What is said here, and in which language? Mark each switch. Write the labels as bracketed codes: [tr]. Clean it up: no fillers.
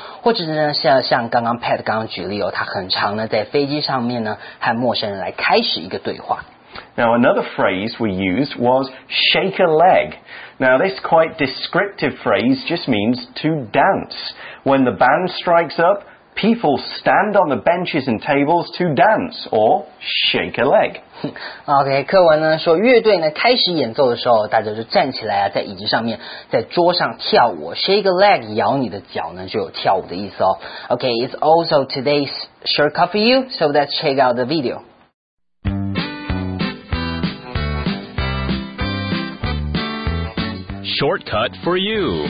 [zh] 或者呢像刚刚 Pat 刚刚举例哦，他很常呢在飞机上面呢和陌生人来开始一个对话。 [en] Now another phrase we used was shake a leg. Now this quite descriptive phrase just means to dance. When the band strikes up, people stand on the benches and tables to dance or shake a leg. [zh] OK, 课文呢说乐队呢开始演奏的时候大家就站起来啊在椅子上面在桌上跳舞 [en] shake a leg, [zh] 摇你的脚呢就有跳舞的意思哦。 [en] OK, it's also today's short cut for you, so let's check out the video. Shortcut for you.